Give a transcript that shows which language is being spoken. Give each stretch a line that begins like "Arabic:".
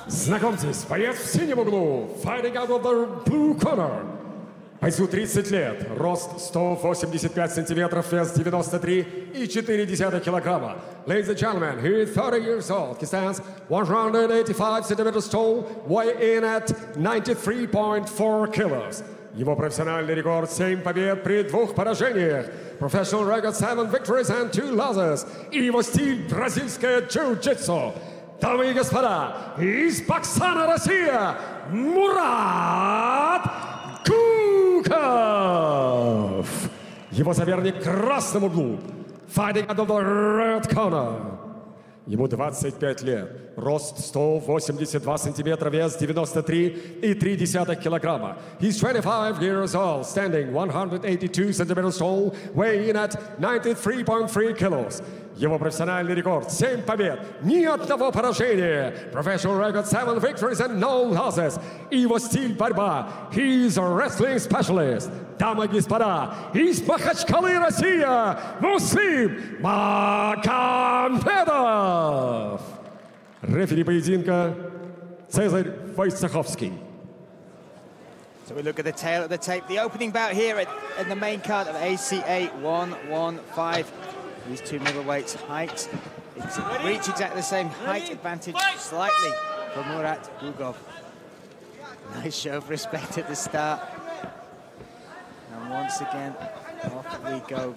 Russian: Знакомьтесь, боец в синем углу,
English: fighting out of the blue corner.
Russian: Бойцу 30 лет, рост 185 сантиметров, вес 93,4 килограмма.
English: Ladies and gentlemen, he is 30 years old. He stands 185 centimeters tall, weigh in at 93.4 kilos.
Russian: Его профессиональный рекорд 7 побед при 2 поражениях.
English: Professional record 7 victories and 2 losses.
Russian: И его стиль бразильское джиу-джитсу. Дамы и господа, из Пакистана, Россия, Мурат Гугов! Его соперник в красном углу,
English: fighting out of the red corner.
Russian: Ему 25 лет, рост 182 сантиметра, вес 93,3 килограмма.
English: He's 25 years old, standing 182 centimeters tall, weighing at 93.3 kilos.
Russian: Его профессиональный рекорд 7 побед, ни одного поражения.
English: Professional record 7 victories and no losses.
Russian: И его стиль борьба.
English: He is a wrestling specialist.
Russian: Дамы и господа, из Махачкалы, Россия, Муслим Магомедов. Рефери поединка Цезарь Войцеховский.
English: So we look at the tail of the tape. The opening bout here at the main card of ACA 115. These two middleweights height, reach exactly the same height advantage slightly for Murat Gugov. Nice show of respect at the start. And once again, off we go.